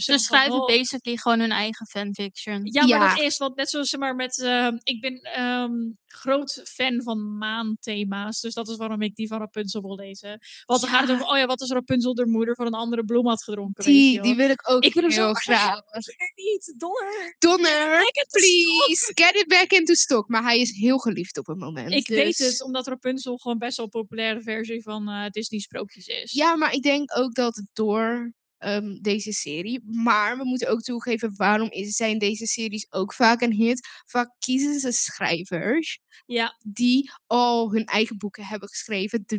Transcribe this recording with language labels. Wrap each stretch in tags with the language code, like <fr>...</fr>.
<nl>Ze schrijven basically gewoon hun eigen fanfiction. Ja, maar dat is wat net zoals zeg maar met... ik ben groot fan van maanthema's. Dus dat is waarom ik die van Rapunzel wil lezen. Want dan gaat het over, oh ja, wat als Rapunzel de moeder van een andere bloem had gedronken. Die wil ik ook heel graag. Ik wil hem niet. Donner.</nl> <en>Please, get it back into stock.</en> <nl>Maar hij is heel geliefd op het moment. Ik weet het, omdat Rapunzel gewoon best wel een populaire versie van Disney sprookjes is. Ja, maar ik denk ook dat door deze serie... Maar we moeten ook toegeven, waarom zijn deze series ook vaak een hit? Vaak kiezen ze schrijvers die al hun eigen boeken hebben geschreven.</nl>